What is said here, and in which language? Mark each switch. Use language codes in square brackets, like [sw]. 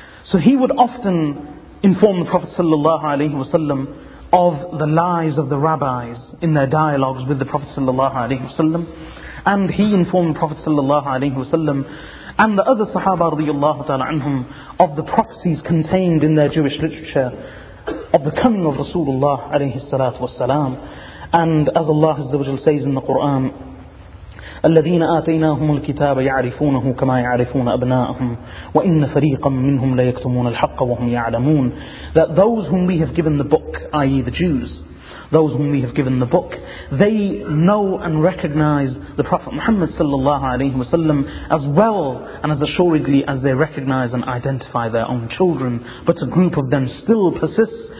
[en] So he would often inform the Prophet sallallahu alaihi wasallam of the lies of the rabbis in their dialogues with the Prophet sallallahu alaihi wasallam, and he informed the Prophet sallallahu alaihi wasallam and the other Sahaba radiyallahu ta'ala anhum of the prophecies contained in their Jewish literature of the coming of Rasulullah alayhi salatu wasalam. And as Allah Azza wa Jalla says in the Quran, [ar] الَّذِينَ آتَيْنَاهُمُ الْكِتَابَ يَعْرِفُونَهُ كَمَا يَعْرِفُونَ أَبْنَاءَهُمْ وَإِنَّ فَرِيقًا مِّنْهُمْ لَيَكْتُمُونَ الْحَقَّ وَهُمْ يَعْلَمُونَ. [en] That those whom we have given the book, i.e. the Jews, those whom we have given the book, they know and recognize the Prophet Muhammad sallallahu alaihi wasallam as well and as assuredly as they recognize and identify their own children. But a group of them still persists